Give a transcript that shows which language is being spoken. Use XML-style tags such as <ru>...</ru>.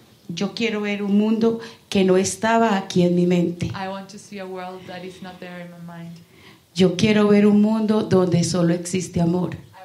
<es>Yo quiero ver un mundo que no estaba aquí en mi mente.</es> <en>I want to see a world that is not there in my mind.</en> <es>Yo quiero ver un mundo donde solo existe amor.</es>